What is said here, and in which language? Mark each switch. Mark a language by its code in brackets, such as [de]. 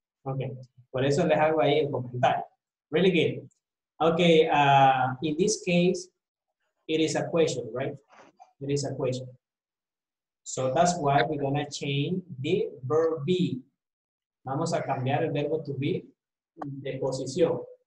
[es] Okay, por eso les hago ahí el comentario. [en] Really good. Okay, in this case, it is a question, right? It is a question. So that's why we're gonna change the verb be. [es] Vamos a cambiar el verbo to be de posición.